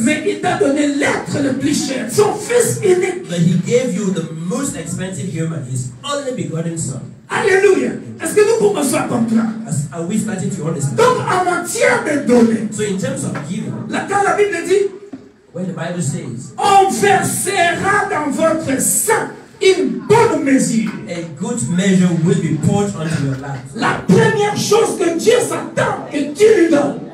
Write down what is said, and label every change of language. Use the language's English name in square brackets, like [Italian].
[French] Mais il t'a donné l'être le plus cher, son fils unique. [English] But he gave you the most expensive human, his only begotten son. [French] Alléluia. Est-ce que nous pouvons se comprendre? [English] Are we starting to understand? [French] Donc en matière de donner. [English] So in terms of giving. [French] La quand la Bible dit? [English] When the Bible says. [French] On versera dans votre sein. In bonne mesure. [English] A good measure will be poured onto your land. [French] La première chose que Dieu s'attend que tu lui donnes.